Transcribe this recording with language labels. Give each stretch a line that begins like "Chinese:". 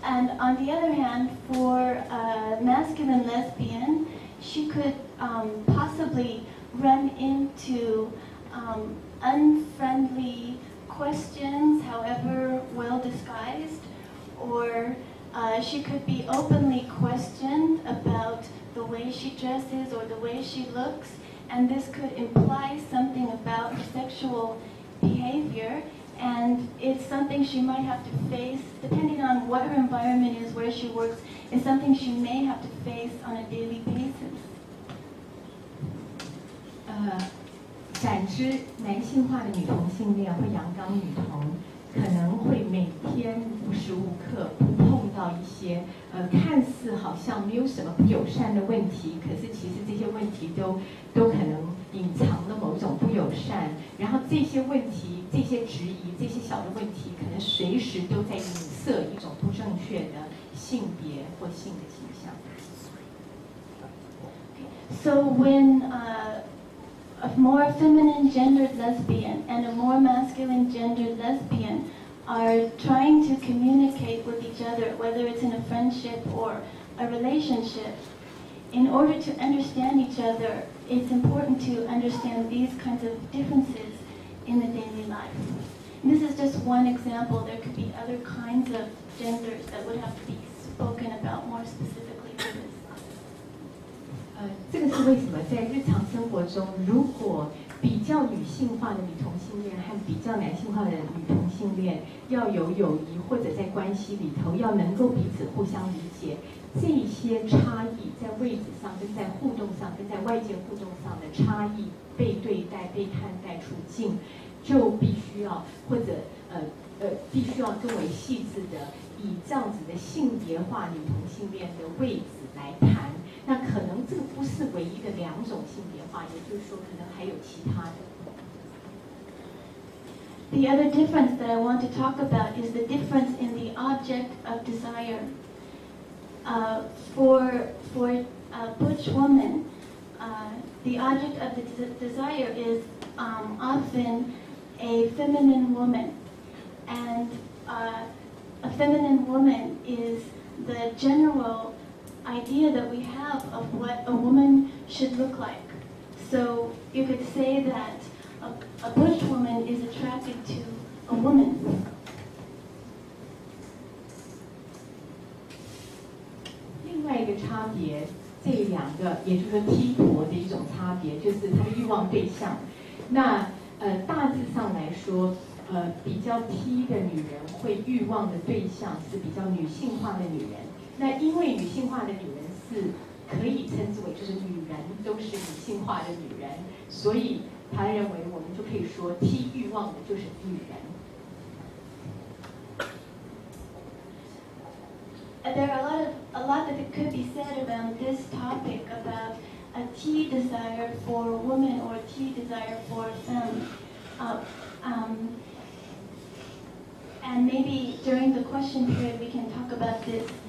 English: And on the other hand, for a masculine lesbian, she could possibly run into unfriendly questions, however well disguised, or she could be openly questioned about the way she dresses or the way she looks, and this could imply something about her sexual behavior. And it's something she might have to face, depending on what her environment is, where she works, is something she may have to face on a daily basis.
Chinese: 感知男性化的女同性恋或阳刚女同，可能会每天无时无刻碰到一些看似好像没有什么不友善的问题，可是其实这些问题都可能隐藏了某种不友善，然后这些问题、这些质疑、这些小的问题，可能随时都在影射一种不正确的性别或性的倾向。
English: So when a more feminine gendered lesbian and a more masculine gendered lesbian are trying to communicate with each other, whether it's in a friendship or a relationship, in order to understand each other. It's important to understand these kinds of differences in the daily life. And this is just one example. There could be other kinds of genders that would have to be spoken about more specifically for this.
Chinese: 这个是为什么？在日常生活中，如果比较女性化的女同性恋和比较男性化的女同性恋要有友谊，或者在关系里头要能够彼此互相理解。这些差异在位置上跟在互动上跟在外界互动上的差异被对待被看待处境就必须要或者必须要更为细致的以这样子的性别化女同性恋的位置来谈那可能这不是唯一的两种性别化也就是说可能还有其他的
English: The other difference that I want to talk about is the difference in the object of desireFor a butch woman, the object of the desire is often a feminine woman. And a feminine woman is the general idea that we have of what a woman should look like. So you could say that a butch woman is attracted to a woman.
Chinese: 另外一个差别，这两个也就是说 T 婆的一种差别，就是她的欲望对象。那大致上来说，比较 T 的女人会欲望的对象是比较女性化的女人。那因为女性化的女人是可以称之为就是女人都是女性化的女人，所以她认为我们就可以说 T 欲望的就是女人。
English: There are a lot that could be said around this topic about a T desire for a woman or a T desire for a femme. And maybe during the question period we can talk about this.